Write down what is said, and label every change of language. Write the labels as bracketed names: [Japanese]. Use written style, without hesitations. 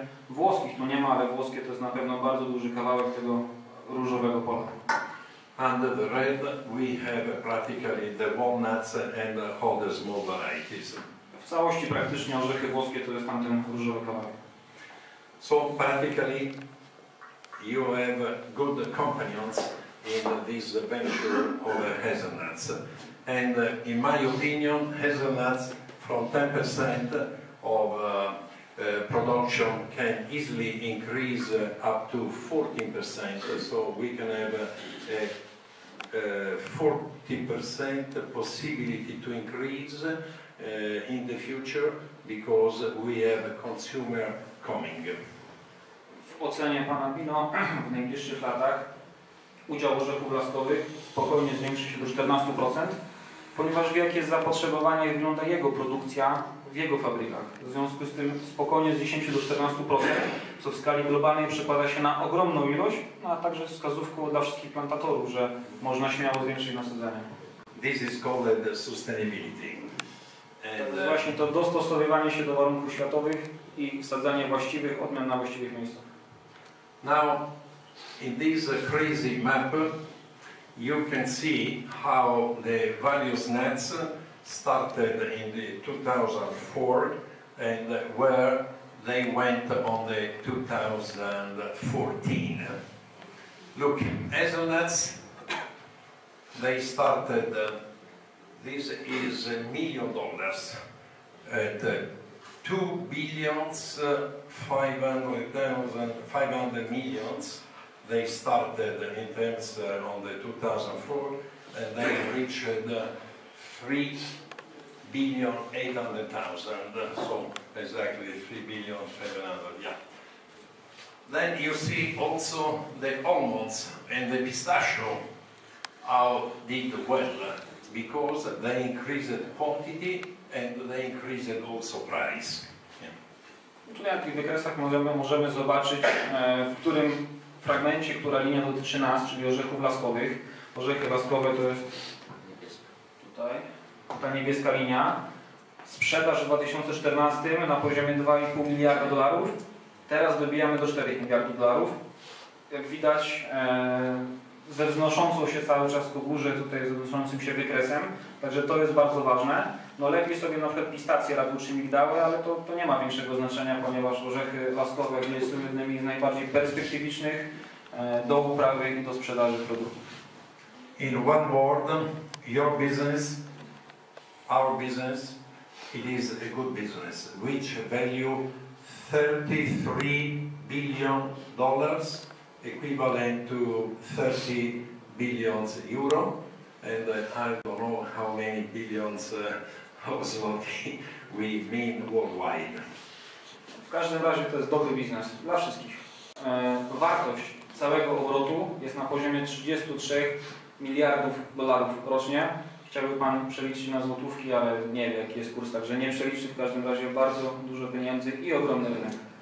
[Polish] Włoskich tu nie ma, ale włoskie to jest na pewno bardzo duży kawałek tego różowego pola. [English] Under the red, we have practically the walnuts and other small varieties. [Polish] W całości praktycznie orzechy włoskie to jest tamten różowy kawałek. [English] So practically, you have good companions in this venture of hazelnuts. And in my opinion, hazelnuts from 10% of production can easily increase up to 14%, so we can have a 40% possibility to increase in the future because we have a consumer coming. [Polish] W ocenie pana Pino w najbliższych latach udział orzechów laskowych spokojnie zwiększy się do 14%, ponieważ wie, jakie jest zapotrzebowanie, wygląda jego produkcja w jego fabrykach. W związku z tym spokojnie z 10 do 14%, co w skali globalnej przekłada się na ogromną ilość, a także wskazówką dla wszystkich plantatorów, że można śmiało zwiększyć nasadzenie. [English] This is called sustainability. [Polish] And to jest właśnie to dostosowywanie się do warunków światowych i wsadzanie właściwych odmian na właściwych miejscach. [English] Now, in this crazy map, you can see how the various nets started in the 2004 and where they went on the 2014. Look, hazelnuts, they started, this is $1 million at $2,500,000,000 they started in terms on the 2004 and they reached 3,800,000, so exactly 3,500,000, yeah. Then you see also the almonds and the pistachio how did well, because they increased quantity and they increased also price. Yeah. [Polish] Na tych wykresach możemy zobaczyć, w którym fragmencie, która linia dotyczy nas, czyli orzechów laskowych. Orzechy laskowe to jest tutaj. Ta niebieska linia, sprzedaż w 2014 na poziomie $2,5 miliarda, teraz dobijamy do $4 miliardów. Jak widać, ze wznoszącą się cały czas ku górze, tutaj ze wznoszącym się wykresem. Także to jest bardzo ważne. No lepiej sobie na przykład pistacje radły czy migdały, ale to nie ma większego znaczenia, ponieważ orzechy laskowe nie są jednymi z najbardziej perspektywicznych do uprawy i do sprzedaży produktów. [English] In one word, your business, our business, it is a good business, which value $33 billion, equivalent to 30 billion euro, and I don't know how many billions of złoty we mean worldwide. [Polish] W każdym razie to jest dobry biznes dla wszystkich. Wartość całego obrotu jest na poziomie 33 miliardów dolarów rocznie. Chciałby Pan przeliczyć na złotówki, ale nie wie, jaki jest kurs, także nie przeliczy. W każdym razie bardzo dużo pieniędzy i ogromny rynek.